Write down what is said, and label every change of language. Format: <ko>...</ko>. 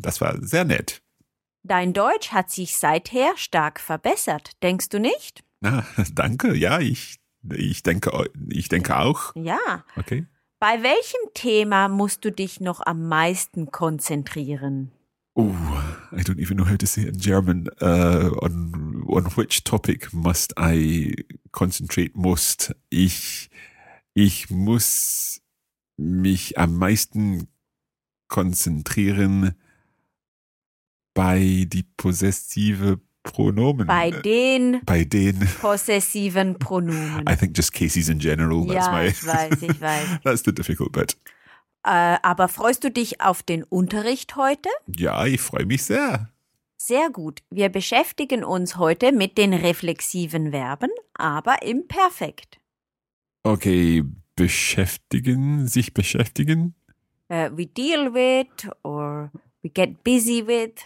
<de>Das war sehr nett. Dein Deutsch hat sich seither stark verbessert, denkst du nicht? Ah, danke, ja, ich denke auch. Ja. Okay. Bei welchem Thema musst du dich noch am meisten konzentrieren?</de> <en>Oh, I don't even know how to say it in German. On which topic must I concentrate most?</en> <de>Ich muss mich am meisten konzentrieren bei die possessive Pronomen. Bei den possessiven Pronomen.</de> <en>I think just cases in general.</en> <de>Ja,</de> <en>ich weiß. That's the difficult bit.</en> <de>Aber freust du dich auf den Unterricht heute? Ja, ich freue mich sehr. Sehr gut. Wir beschäftigen uns heute mit den reflexiven Verben, aber im Perfekt. Okay, sich beschäftigen?</de> <en>We deal with or we get busy with.</en>